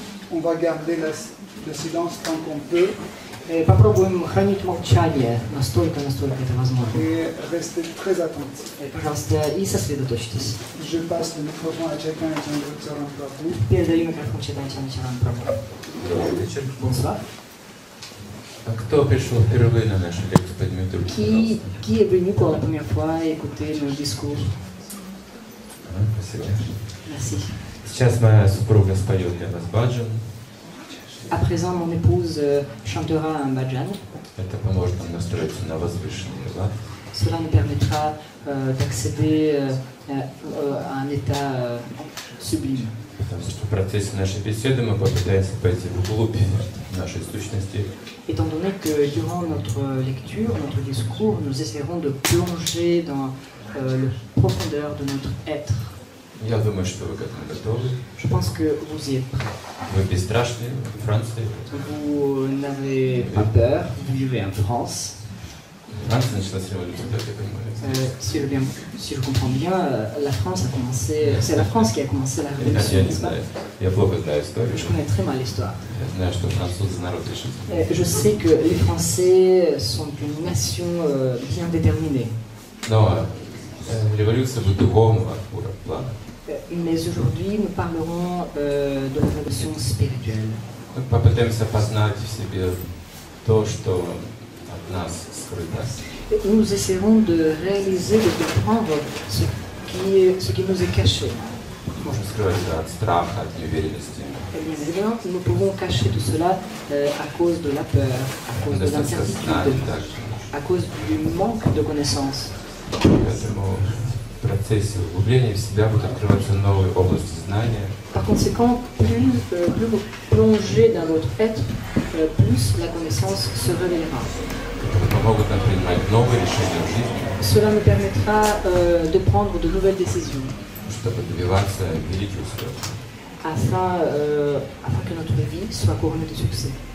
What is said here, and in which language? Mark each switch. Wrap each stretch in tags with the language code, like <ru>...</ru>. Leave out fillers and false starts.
<fr>On va garder le silence tant qu'on peut.</fr> <ru>Попробуем хранить молчание настолько это возможно.</ru> <fr>Et restez très attentifs.</fr> <ru>Пожалуйста, и сосредоточьтесь.</ru> <fr>Je passe le microphone à Chaitanya Charanprabhu.</fr> <ru>Передаю микрофон Chaitanya Charanprabhu. Добрый вечер.</ru> <fr>Bonsoir.</fr> <ru>Кто пришел впервые на нашу лекцию, поднимите руку, пожалуйста.</ru> <fr>Qui est venu pour la première fois écouter le discours?</fr> <ru>Спасибо.</ru> <fr>Merci.</fr> <ru>Сейчас моя супруга споет для нас баджан.</ru> <fr>À présent, mon épouse chantera un bhajan.</fr> <ru>Это поможет нам настроиться на возвышенный лад.</ru> <fr>Cela nous permettra d'accéder à un état sublime.</fr> <ru>Потому что в процессе нашей беседы мы попытаемся пойти вглубь нашей сущности.</ru> <fr>Étant donné que durant notre lecture, notre discours, nous essaierons de plonger dans la profondeur de notre être.</fr> <ru>Я думаю, что вы к этому готовы.</ru> <fr>Je pense que vous y êtes prêts.</fr> <ru>Вы бесстрашны в Франции.</ru> <fr>Vous n'avez pas peur. Vous vivez en France.</fr> <ru>Франция началась революция, так я понимаю.</ru> <fr>Si je comprends bien, la France a commencé. C'est la France qui a commencé la révolution, n'est-ce pas?</fr> <ru>Я плохо знаю историю.</ru> <fr>Je connais très mal l'histoire.</fr> <ru>Я знаю, что французы народ решительный.</ru> <fr>Je sais que les Français sont une nation bien déterminée.</fr> <ru>Но революция будет духовного уровня.</ru> <fr>Mais aujourd'hui, nous parlerons de la révolution spirituelle.</fr> <ru>Donc, попытаемся познать в себе то, что от нас скрыто.</ru> <fr>Nous essaierons de réaliser, de comprendre ce qui nous est caché.</fr> <ru>Можем скрывать от страха, от неуверенности.</ru> <fr>Bien évidemment, nous pouvons cacher tout cela à cause de la peur, à cause de l'incertitude, à cause du manque de connaissances.</fr> <ru>В процессе углубления в себя будут открываться новые области знания.</ru> <fr>Par conséquent, plus vous plongez dans votre être, plus la connaissance se révélera.</fr> <ru>Которые помогут нам принимать новые решения в жизни.</ru> <fr>Cela nous permettra de prendre de nouvelles décisions.</fr> <ru>Чтобы добиваться великих успехов.</ru> <fr>afin que notre vie soit couronnée de succès.</fr>